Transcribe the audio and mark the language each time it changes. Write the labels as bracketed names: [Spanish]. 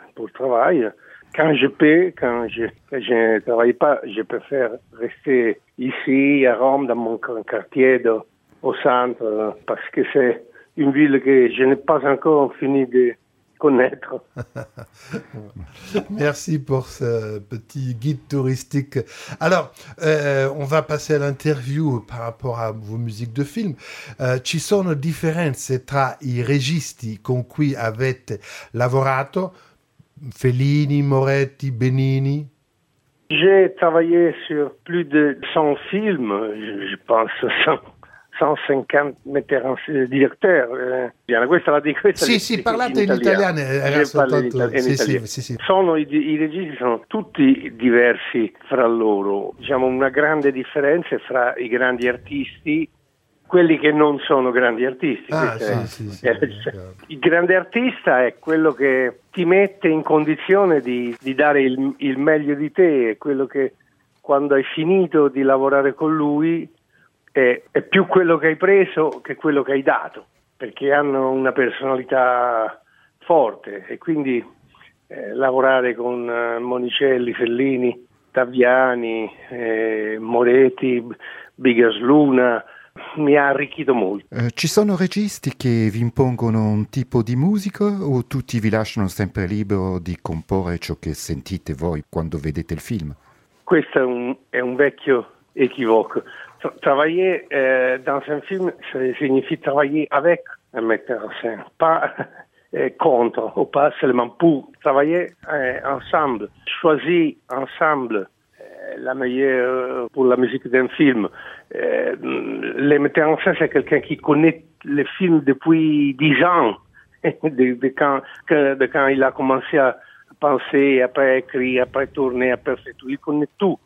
[French] Quand je ne travaille pas, je préfère rester ici, à Rome, dans mon quartier, au centre, parce que c'est... Une ville que je n'ai pas encore fini de connaître. Merci pour ce petit guide touristique. Alors, on va passer à l'interview par rapport à vos musiques de film. [Italian] Ci sono differenze tra i registi con cui avete lavorato? Fellini, Moretti, Benigni? [French] J'ai travaillé sur plus de 100 films, je pense 100. 150 metteurs en scène, directeurs. [Italian] Bien, questa la dico. Sì, parlate in italiano. I registi sono tutti diversi fra loro. Diciamo una grande differenza fra i grandi artisti, quelli che non sono grandi artisti. Sì. Il grande artista è quello che ti mette in condizione di dare il meglio di te, è quello che quando hai finito di lavorare con lui... È più quello che hai preso che quello che hai dato, perché hanno una personalità forte e quindi lavorare con Monicelli, Fellini, Taviani, Moretti, Bigas Luna mi ha arricchito molto. Ci sono registi che vi impongono un tipo di musica o tutti vi lasciano sempre libero di comporre ciò che sentite voi quando vedete il film? Questo è un vecchio equivoco. [French] Travailler dans un film, ça signifie travailler avec un metteur en scène, pas contre ou pas seulement pour. Travailler ensemble, choisir ensemble la meilleure pour la musique d'un film. Le metteur en scène, c'est quelqu'un qui connaît le film depuis 10 ans, de quand il a commencé à penser, après écrire, après tourner, après faire tout. Il connaît tout.